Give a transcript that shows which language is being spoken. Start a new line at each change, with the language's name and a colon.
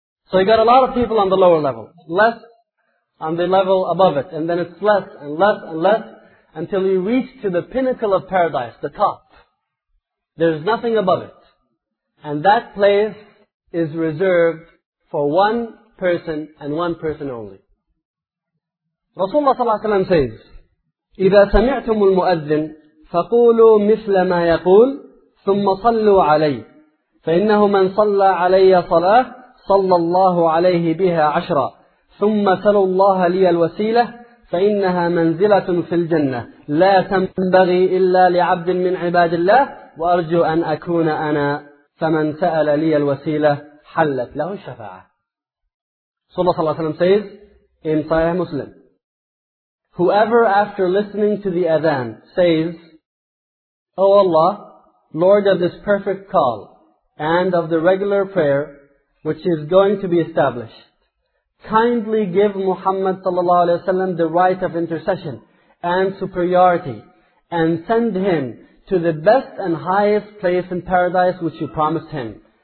English: So you got a lot of people on the lower level, less on the level above it, and then it's less and less and less until you reach to the pinnacle of paradise, the top. There's nothing above it. And that place is reserved for one person and one person only.
Arabic: Rasulullah sallallahu alayhi wa sallam says, إِذَا سَمِعْتُمُ الْمُؤَذِّنِ فَقُولُوا مِثْلَ مَا يَقُولُ ثُمَّ صَلُّوا عَلَيْهِ فَإِنَّهُ مَنْ صَلَّى عَلَيَّ صَلَاةً صَلَّى اللَّهُ عَلَيْهِ بِهَا عَشْرًا ثُمَّ سَلُوا اللَّهَ لِيَ الْوَسِيلَةِ فَإِنَّهَا مَنْزِلَةٌ فِي الْجَنَّةِ لَا تَنْبَغِي إِلَّا لِعَبْدٍ مِّنْ عِبَادِ اللَّهِ وَأَرْجُو أَنْ أَكُونَ أَنَا فَمَنْ سَأَلَ لِيَ الْوَسِيلَةِ حلت له الشفاعة.
English: صلى الله عليه وسلم says in Sahih Muslim, whoever after listening to the adhan says, O Allah, Lord of this perfect call and of the regular prayer which is going to be established, kindly give Muhammad sallallahu alayhi wa sallam the right of intercession and superiority and send him to the best and highest place in paradise which you promised him.